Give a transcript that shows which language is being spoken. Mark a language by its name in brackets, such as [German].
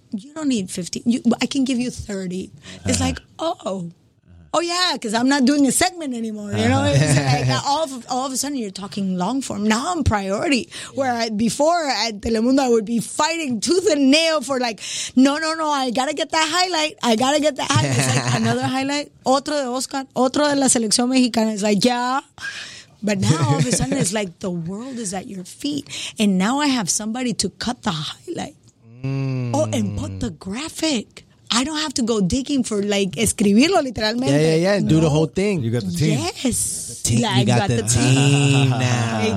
[English] You don't need 15. I can give you 30. It's like, oh, yeah, because I'm not doing a segment anymore, you know? Like all of a sudden, you're talking long form. Now I'm priority. Where before at Telemundo, I would be fighting tooth and nail for like, no, I got to get that highlight. I got to get that highlight. It's like another highlight. [Spanish] Otro de Oscar. Otro de la Selección Mexicana. [English] It's like, yeah. But now all of a sudden, it's like the world is at your feet. And now I have somebody to cut the highlight. Mm. Oh, and put the graphic. I don't have to go digging for like [Spanish] escribirlo literalmente. [English] Yeah. No. Do the whole thing. You got the team. Yes. You got the team now.